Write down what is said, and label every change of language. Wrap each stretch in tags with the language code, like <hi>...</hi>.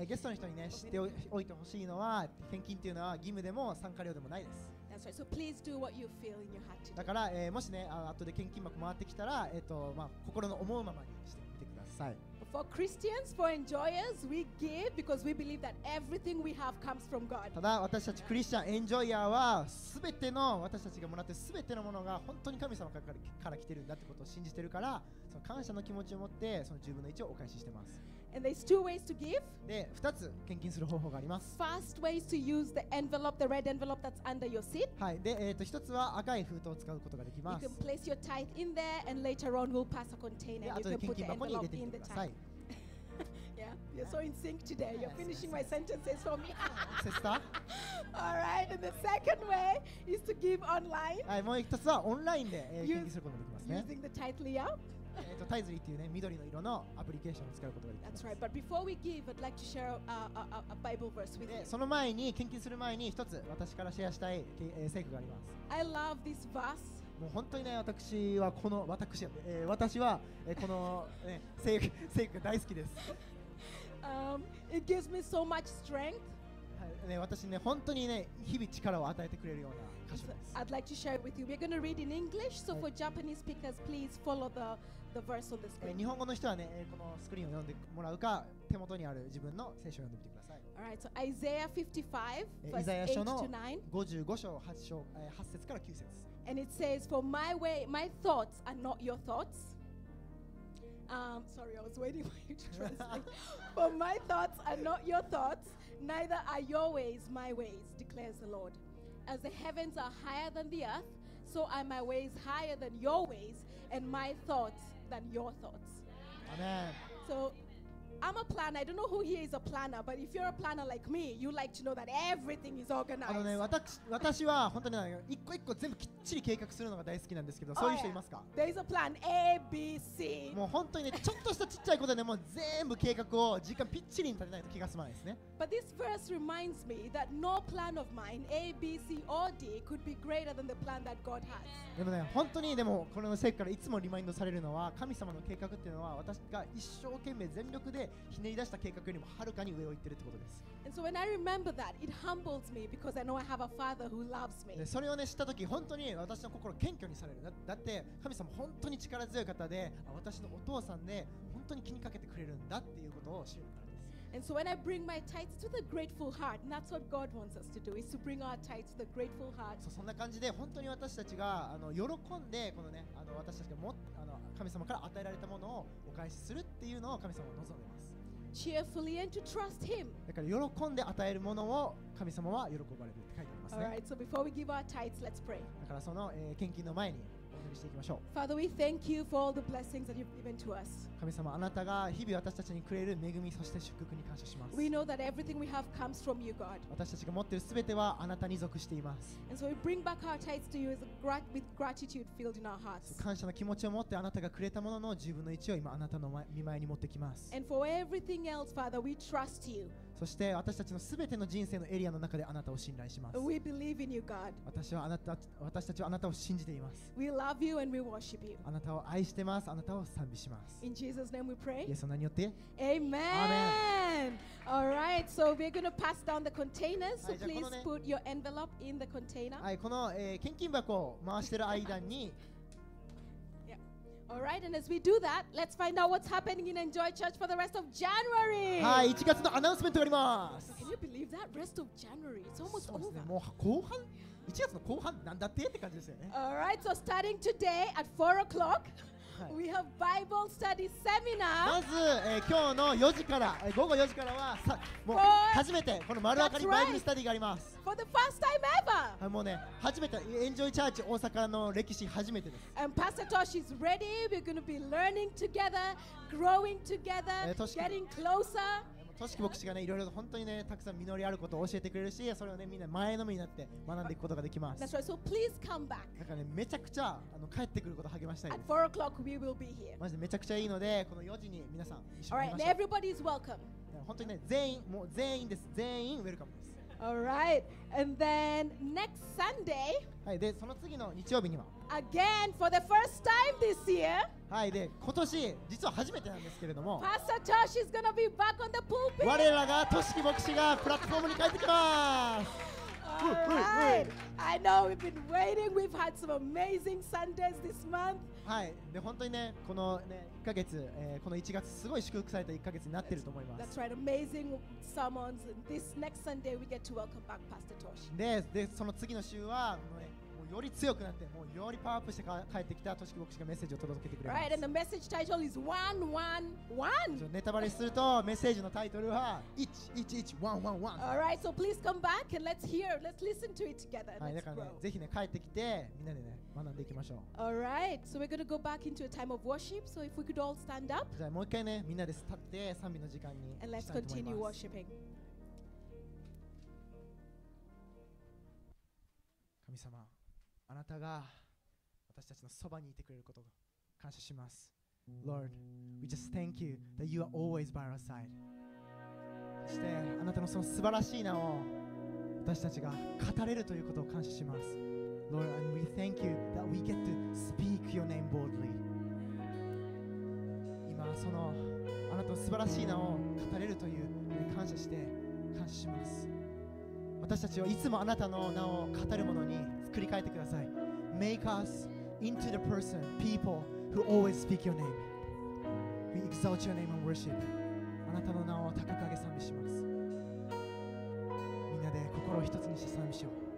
<ja>ゲストの人にね、知っておいてほしいのは、献金っていうのは義務でも参加料でもないです。</ja> <en>That's right. So please do what you feel in your heart to do.</en> <ja>だから、もしね、後で献金箱回ってきたら、まあ、心の思うままにしてみてください。</ja> <en>For Christians, for enjoyers, we give because we believe that everything we have comes from God.</en> <ja>ただ私たちクリスチャン、エンジョイヤーはすべての私たちがもらってすべてのものが本当に神様から来てるんだってことを信じてるから、その感謝の気持ちを持ってその10分の1をお返ししてます。</ja> <en>And there's two ways to give.</en> <ja>で、2つ献金する方法があります。</ja> <en>First way is to use the envelope, the red envelope that's under your seat.</en> <ja>はい。で、1つは赤い封筒を使うことができます。</ja> <en>You can place your tithe in there, and later on we'll pass a container.</en> <ja>で、後で献金箱に入れてください。</ja> <en>Yeah, you're so in sync today. You're finishing my sentences for me. Sister. All right. And the second way is to give online.</en> <ja>はい、もう一つはオンラインで献金することができますね。</ja> <en>Using the Tithely app.</en> <ja>Tithely っていうね、緑の色のアプリケーションを使うことができます。</ja> <en>That's right. But before we give, I'd like to share a Bible verse with you.</en> <ja>その前に献金する前に一つ私からシェアしたい聖句があります。</ja> <en>I love this verse.</en> <ja>もう本当にね、私はこの、ね、聖句が大好きです。</ja> <en>It gives me so much strength.</en> <ja>ね、私ね本当にね日々力を与えてくれるような箇所です。</ja> <en>I'd like to share with you. We're going to read in English, so for Japanese speakers, please follow the verse on the screen.</en> <ja>日本語の人はねこのスクリーンを読んでもらうか、手元にある自分の聖書を読んでみてください。</ja> <en>All right, so Isaiah 55, verse 8 to 9.</en> <ja>55章8章8節から9節。</ja> <en>And it says, "For my way, my thoughts are not your thoughts." Sorry, I was waiting for you to translate. "For my thoughts are not your thoughts." Neither are your ways my ways, declares the Lord. As the heavens are higher than the earth, so are my ways higher than your ways, and my thoughts than your thoughts. Amen. So, I'm a planner. I don't know who here is a planner, but if you're a planner like me, you like to know that everything is organized.</en> <ja>あのね、私は本当に一個一個全部きっちり計画するのが大好きなんですけど、そういう人いますか？</ja> <en>There's a plan A, B, C.</en> <ja>もう本当にね、ちょっとしたちっちゃいことでね、もう全部計画を時間ぴっちりに立てないと気が済まないですね。</ja> <en>But this verse reminds me that no plan of mine, A, B, C, or D, could be greater than the plan that God has.</en> <ja>でもね、本当にでもこの聖書からいつもリマインドされるのは、神様の計画っていうのは私が一生懸命全力でひねり出した計画よりもはるかに上を行ってるってことです。</ja> <en>And so when I remember that, it humbles me because I know I have a father who loves me.</en> <ja>それをね知った時、本当に私の心謙虚にされる。だって神様本当に力強い方で、私のお父さんで本当に気にかけてくれるんだっていうことを知るからです。</ja> <en>And so when I bring my tithes to the grateful heart, and that's what God wants us to do, is to bring our tithes to the grateful heart.</en> <ja>そんな感じで本当に私たちが喜んでこのね私たちが神様から与えられたものをお返しするっていうのを神様は望んでいます。</ja> <en>Cheerfully and to trust Him.</en> <ja>だから喜んで与えるものを神様は喜ばれるって書いてありますね。</ja> <en>All right, so before we give our tithes, let's pray.</en> <ja>だからその献金の前に。</ja> <en>Father, we thank you for all the blessings that you've given to us.</en> <ja>神様、あなたが日々私たちにくれる恵み、そして祝福に感謝します。</ja> <en>We know that everything we have comes from you, God.</en> <ja>私たちが持っているすべてはあなたに属しています。</ja> <en>And so we bring back our tithes to you with gratitude filled in our hearts.</en> <ja>感謝の気持ちを持ってあなたがくれたものの10分の1を今あなたの御前に持ってきます。</ja> <en>And for everything else, Father, we trust you.</en> <ja>そして私たちのすべての人生のエリアの中であなたを信頼します。</ja> <en>We believe in you, God.</en> <ja>私たちはあなたを信じています。</ja> <en>We love you and we worship you.</en> <ja>あなたを愛してます。あなたを賛美します。</ja> <en>In Jesus' name we pray.</en> <ja>イエス様によって。</ja> <en>Amen. All right. So we're going to pass down the containers. So please put your envelope in the container.</en> <ja>はい、この、献金箱を回してる間に。</ja> <en>All right, and as we do that, let's find out what's happening in Enjoy Church for the rest of January.</en> <ja>はい、1月のアナウンスメントがあります。</ja> <en>Can you believe that? Rest of January. It's almost over.</en> <ja>そうですね、もう後半、1月の後半なんだってって感じですよね。</ja> <en>All right, so starting today at 4 o'clock, we have Bible study seminar.</en> <ja>まず、今日の4時から、午後4時からはさ、もう初めてこの丸明かりバイブルスタディがあります。</ja> <en>For the first time ever.</en> <ja>はい、もうね、初めてエンジョイチャーチ大阪の歴史初めてです。</ja> <en>And Pastor Tosh is ready. We're going to be learning together, growing together, getting closer.</en> <ja>トシキ牧師がね、いろいろ本当にね、たくさん実りあることを教えてくれるし、それをね、みんな前のめりになって学んでいくことができます。</ja> <en>That's right. So please come back.</en> <ja>だからね、めちゃくちゃ帰ってくること励ましたいです。</ja> <en>At 4 o'clock we will be here.</en> <ja>マジでめちゃくちゃいいので、この4時に皆さん一緒に来ましょう。</ja> <en>Alright, everybody is welcome.</en> <ja>本当にね、全員です。全員ウェルカムです。</ja> <en>All right, and then next Sunday.</en> <ja>はい、でその次の日曜日には。</ja> <en>Again for the first time this year.</en> <ja>はい、で今年実は初めてなんですけれども。</ja> <en>Pastor Josh is gonna be back on the pulpit.</en> <ja>我らがトシキ牧師がプラットフォームに帰ってきます。</ja> <en>All right, I know we've been waiting. We've had some amazing Sundays this month.</en> <ja>はい、で本当にねこのね1ヶ月、この1月すごい祝福された1ヶ月になってると思います。</ja> <en>That's right, amazing sermons. This next Sunday we get to welcome back Pastor Tosh.</en> <ja>でその次の週はもう、ね、もうより強くなってもうよりパワーアップして帰ってきたトシキ牧師がメッセージを届けてくれます。</ja> <en>Right, and the message title is 111.</en> <ja>ネタバレするとメッセージのタイトルは111111.</ja> <en>All right, so please come back and let's hear, let's listen to it together.</en> <ja>はい、だからねぜひね帰ってきてみんなでね。学んでいきましょう。</ja> <en>All right, so we're gonna go back into a time of worship. So if we could all stand up.</en> <ja>じゃあもう一回ね、みんなで立って賛美の時間に。</ja> <en>And let's continue worshiping.</en> <ja>神様、あなたが私たちのそばにいてくれることを感謝します。</ja> <en>Lord, we just thank you that you are always by our side.</en> <ja>そしてあなたのその素晴らしい名を私たちが語れるということを感謝します。</ja> <en>Lord, and we thank you that we get to speak your name boldly.</en> <ja>今そのあなたの素晴らしい名を語れるという感謝して感謝します。私たちをいつもあなたの名を語るものに作り変えてください。</ja> <en>Make us into the person, people who always speak your name. We exalt your name and worship.</en> <ja>あなたの名を高く上げ賛美します。みんなで心を一つにして賛美しよう。</ja>